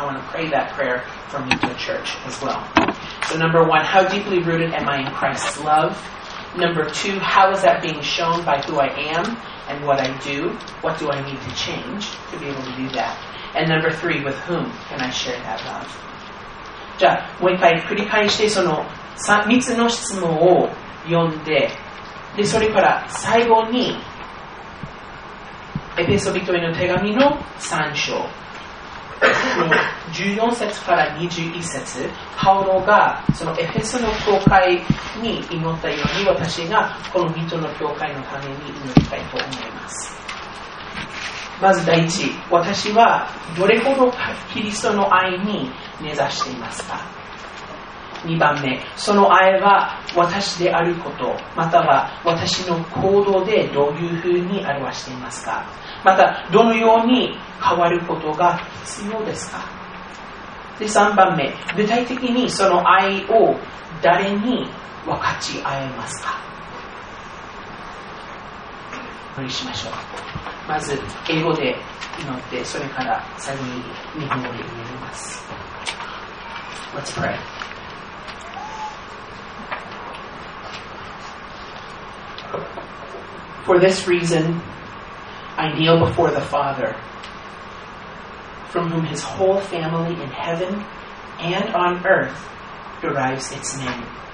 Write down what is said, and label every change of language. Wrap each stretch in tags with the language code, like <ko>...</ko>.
<en>I want to pray that prayer for me to the church as well. So number one, how deeply rooted am I in Christ's love? Number two, how is that being shown by who I am and what I do? What do I need to change to be able to do that? And number three, with whom can I share that love?</en> <ja>じゃあ、もう一回繰り返してその3つの質問を読んで、でそれから最後にエペソ人への手紙の3章の14節から21節、パウロがそのエフェソの教会に祈ったように私がこの水戸の教会のために祈りたいと思います。まず第一、私はどれほどキリストの愛に根ざしていますか。 2番目、その愛は私であること、または私の行動でどういうふうに表していますか。またどのように変わることが必要ですか。で3番目、具体的にその愛を誰に分かち合えますか。お祈りしましょう。まず英語で祈って、それから最後に日本語で祈ります。</ja> <en>Let's prayFor this reason, I kneel before the Father, from whom his whole family in heaven and on earth derives its name.</en>